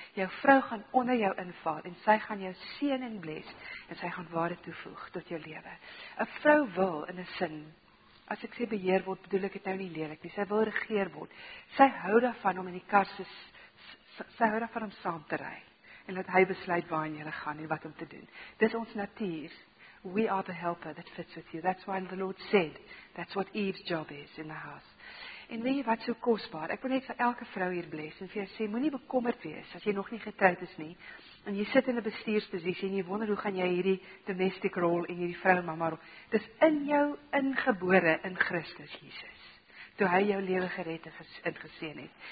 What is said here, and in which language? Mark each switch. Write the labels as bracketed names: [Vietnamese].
[Afrikaans] Jou vrou gaan onder jou inval en sy gaan jou seën en bless en sy gaan waarde toevoeg tot jou lewe. 'N Vrou wil in 'n sin, as ek sê beheer word, bedoel ek het nou nie lelik nie, sy wil regeer word. Sy hou daarvan om in die kar se, sy hou daarvan om saam te ry en dat hy besluit waar in julle gaan en wat om te doen. Dis ons natuur. [English] We are the helper that fits with you. That's why the Lord said, that's what Eve's job is in the house. [Afrikaans] En weet jy wat so kostbaar, ek wil net vir elke vrou hier bless, en vir jy sê, moet nie bekommerd wees, as jy nog nie getroud is nie, en jy sit in 'n bestuursposisie, en jy wonder hoe gaan jy hierdie [English] domestic role, [Afrikaans] en hierdie vrou mama role, dis in jou ingebore in Christus Jesus, toe hy jou lewe gered en geseën het.